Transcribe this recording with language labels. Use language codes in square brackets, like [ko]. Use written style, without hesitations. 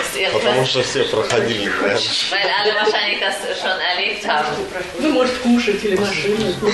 [ru] Потому что все проходили. [de] Weil alle wahrscheinlich das schon erlebt haben. [ru] Ну, может, кушать или машину.